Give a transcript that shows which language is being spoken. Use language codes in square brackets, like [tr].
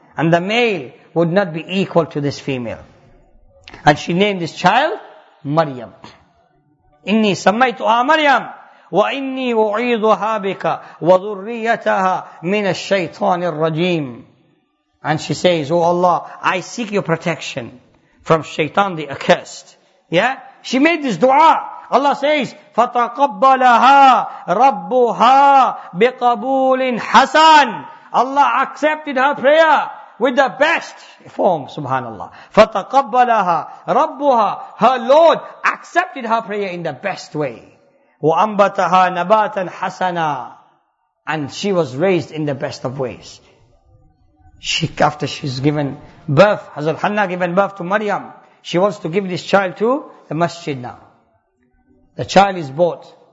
[en] And the male would not be equal to this female. And she named this child Maryam. [ar] إِنِّي سَمَّيْتُهَا مَرْيَمْ وَإِنِّي أُعِيذُهَا بِكَ وَذُرِّيَّتَهَا مِنَ الشَّيْطَانِ الرَّجِيمِ. [en] And she says, oh Allah, I seek your protection from shaitan the accursed. Yeah? She made this dua. [ar] Allah says, فَتَقَبَّلَهَا رَبُّهَا بِقَبُولٍ حَسَنٍ. [en] Allah accepted her prayer with the best form, subhanallah. [ar] فَتَقَبَّلَهَا رَبُّهَا, [en] her Lord accepted her prayer in the best way. [ar] وَأَنْبَتَهَا نَبَاتًا حَسَنًا. [en] And she was raised in the best of ways. She, after she's given birth, Hazrat Hannah given birth to Maryam, she wants to give this child to the masjid now. The child is bought.